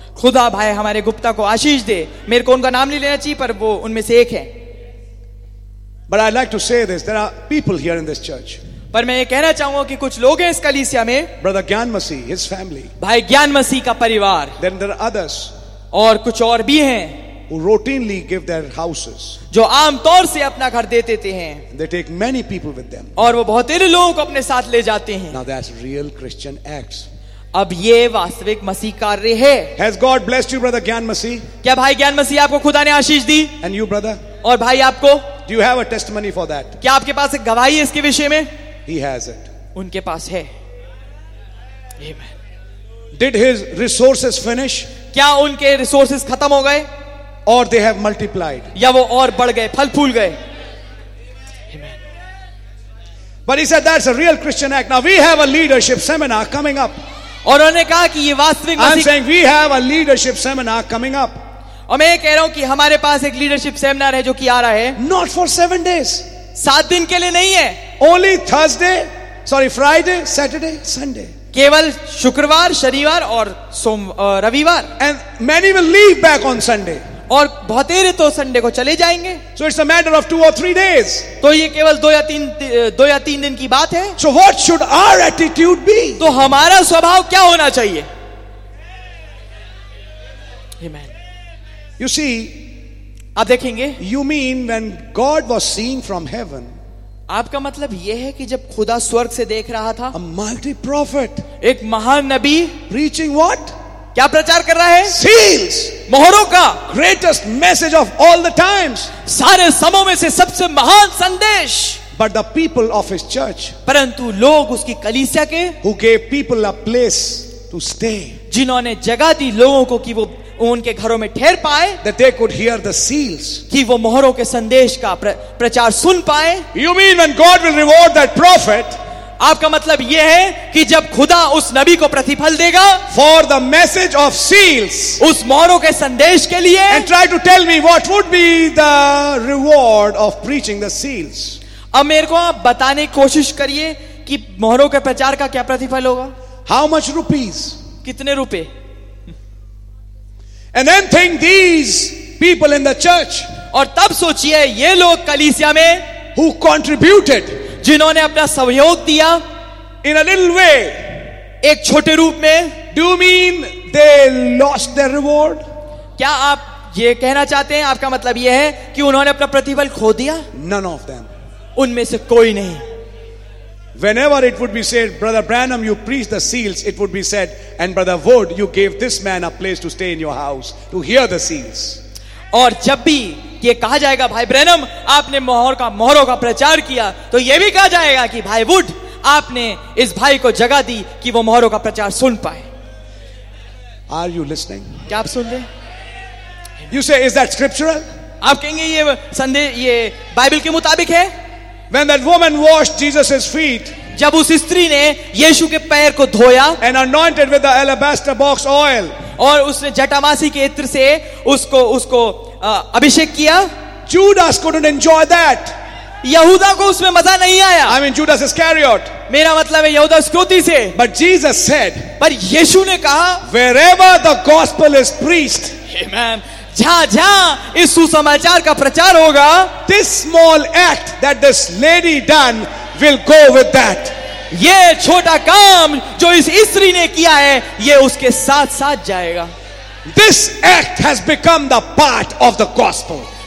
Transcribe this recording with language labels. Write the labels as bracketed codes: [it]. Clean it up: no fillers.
[hi] खुदा भाई हमारे गुप्ता को आशीष दे. मेरे को उनका नाम नहीं लेना चाहिए पर वो उनमें से एक है. [en] But I'd like to say this, there are people here in this church. [hi] पर मैं ये कहना चाहूंगा कि कुछ लोग हैं इस कलीसिया में. [en] Brother Gyan Masih, his family. [hi] भाई ज्ञान मसीह का परिवार. [en] Then there are others. [hi] और कुछ और भी हैं. [en] Who routinely give their houses. [hi] जो आमतौर से अपना घर दे देते हैं. [en] They take many people with them. [hi] और वो बहुत सारे लोगों को अपने साथ ले जाते हैं. [en] Now that's real Christian acts. [hi] अब ये वास्तविक मसीह कार्य है. [en] Has God blessed you, brother Gyan Masih? [hi] क्या भाई ज्ञान मसीह आपको खुदा ने आशीष दी? [en] And you, brother? [hi] और भाई आपको? [en] Do you have a testimony for that? [hi] क्या आपके पास एक गवाही है इसके विषय में? [en] He has it. [hi] उनके पास है. Amen. [en] Did his resources finish? [hi] क्या उनके resources खत्म हो गए? [en] Or they have multiplied? [hi] या वो और बढ़ गए, फल फूल गए? [en] Amen. But he said that's a real Christian act. Now we have a leadership seminar coming up. [hi] और उन्होंने कहा कि ये वास्तविक मसीह. [en] I'm saying we have a leadership seminar coming up. [hi] और मैं कह रहा हूं कि हमारे पास एक लीडरशिप सेमिनार है जो कि आ रहा है. [en] Not for 7 days. [hi] 7 दिन के लिए नहीं है. [en] Only Friday, Saturday, Sunday. [hi] केवल शुक्रवार, शनिवार और रविवार. [en] And many will leave back on Sunday. [hi] और बहुतेरे तो संडे को चले जाएंगे. [en] So it's a matter of 2 or 3 days. [hi] तो ये केवल दो या तीन दिन की बात है. [en] So what should our attitude be? [hi] तो हमारा स्वभाव क्या होना चाहिए? [en] Amen. You see, [hi] आप देखेंगे. [en] You mean when God was seeing from heaven? [hi] आपका मतलब ये है कि जब खुदा स्वर्ग से देख रहा था. [en] A multi prophet. [hi] एक महान नबी. [en] Preaching what? [hi] क्या प्रचार कर रहा है? [en] Seals. [hi] मोहरों का. [en] Greatest message of all the times. [hi] सारे समय में से सबसे महान संदेश. [en] But the people of his church. [hi] परंतु लोग उसकी कलीसिया के. [en] Who gave people a place to stay. [hi] जिन्होंने जगह दी लोगों को कि वो उनके घरों में ठहर पाए. [en] That they could hear the seals. [hi] कि वो मोहरों के संदेश का प्रचार सुन पाए. [en] You mean when God will reward that prophet? [hi] आपका मतलब यह है कि जब खुदा उस नबी को प्रतिफल देगा. [en] For the message of seals. [hi] उस मोहरों के संदेश के लिए. [en] And try to tell me what would be the reward of preaching the seals. [hi] अब मेरे को आप बताने की कोशिश करिए कि मोहरों के प्रचार का क्या प्रतिफल होगा. [en] how much rupees, [hi] कितने रुपए. [en] and then think these people in the church, [hi] और तब सोचिए ये लोग कलीसिया में, [en] who contributed, [hi] जिन्होंने अपना सहयोग दिया, [en] in a little way, [hi] एक छोटे रूप में. [en] do you mean they lost their reward, [hi] क्या आप ये कहना चाहते हैं, आपका मतलब ये है कि उन्होंने अपना प्रतिफल खो दिया. [en] none of them, [hi] उनमें से कोई नहीं. [en] Whenever it would be said, Brother Branham, you preached the seals, it would be said, and Brother Wood, you gave this man a place to stay in your house to hear the seals. [hi] और जब भी ये कहा जाएगा, भाई Branham आपने मोहरों का प्रचार किया, तो ये भी कहा जाएगा कि भाई वुड आपने इस भाई को जगह दी कि वो मोहरों का प्रचार सुन पाए. [en] Are you listening? [hi] क्या आप सुन रहे? [en] You say, is that scriptural? [hi] आप कहेंगे ये संदेह ये बाइबल के मुताबिक है? [en] When that woman washed Jesus's feet, [hi] जब उस स्त्री ने यीशु के पैर को धोया, [en] and anointed with the alabaster box oil, [hi] और उसने जटामासी के इत्र से उसको अभिषेक किया, [en] Judas couldn't enjoy that. [hi] यहूदा को उसमें मजा नहीं आया. [en] I mean Judas Iscariot. [hi] मेरा मतलब है यहूदा इस्करियोती से. [en] But Jesus said, [hi] पर यीशु ने कहा, [en] wherever the gospel is preached, Amen. [hi] जहां इस सुसमाचार का प्रचार होगा, [en] This small act that this lady done will go with that. [hi] ये छोटा काम जो इस स्त्री ने किया है, ये उसके साथ साथ जाएगा. [en] This act has become the part of the gospel.